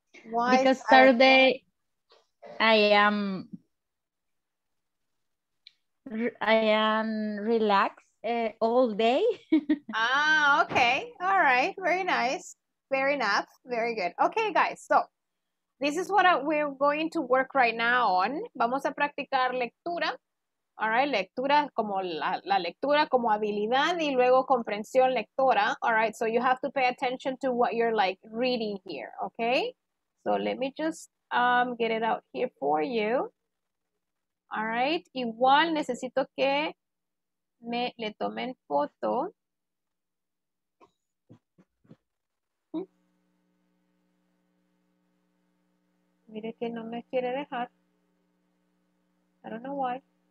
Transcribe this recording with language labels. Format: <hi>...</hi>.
<en>Why? Because Saturday, I am relaxed all day. Ah, okay. All right. Very nice. Fair enough. Very good. Okay, guys. So, this is what we're going to work right now on.</en> <es>Vamos a practicar lectura.</es> <en>All right.</en> <es>Lectura como la lectura como habilidad y luego comprensión lectora.</es> <en>All right. So, you have to pay attention to what you're like reading here. Okay. So, let me just get it out here for you. All right,</en> <es>igual necesito que me le tomen foto. Mire que no me quiere dejar.</es> <en>I don't know why.</en>